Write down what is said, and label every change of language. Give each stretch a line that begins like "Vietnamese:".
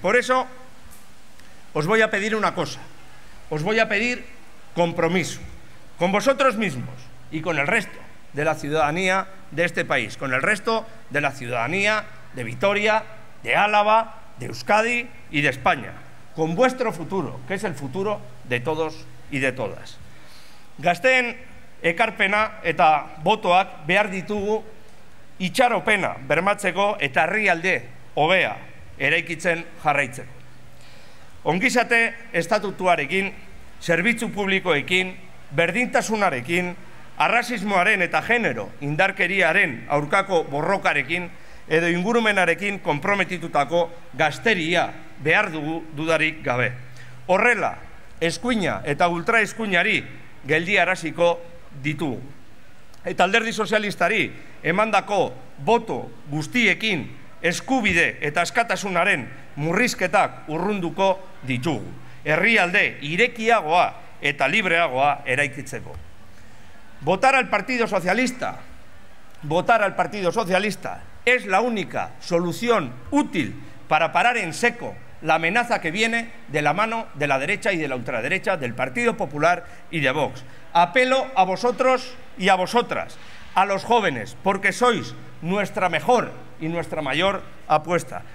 Spanish: Por eso, os voy a pedir una cosa, os voy a pedir compromiso con vosotros mismos y con el resto de la ciudadanía de este país, con el resto de la ciudadanía de Vitoria, de Álava, de Euskadi y de España, con vuestro futuro, que es el futuro de todos y de todas.
Basque: Gazteen ekarpena eta botoak behar ditugu itxaropena bermatzeko eta herrialde hobea eraikitzen jarraitzeko. Ongizate estatutuarekin, zerbitzu publikoekin, berdintasunarekin, arrasismoaren eta genero indarkeriaren aurkako borrokarekin edo ingurumenarekin konprometitutako gazteria behar dugu dudarik gabe. Horrela, eskuina eta ultraeskuinari geldiaraziko ditugu. Eta alderdi sozialistari emandako boto guztiekin eskubide eta askatasunaren murrizketak urrunduko ditugu. Herrialde irekiagoa eta libreagoa eraikitzeko.
Spanish: Votar al Partido Socialista es la única solución útil para parar en seco la amenaza que viene de la mano de la derecha y de la ultraderecha, del Partido Popular y de Vox. Apelo a vosotros y a vosotras, a los jóvenes, porque sois nuestra mejor y nuestra mayor apuesta.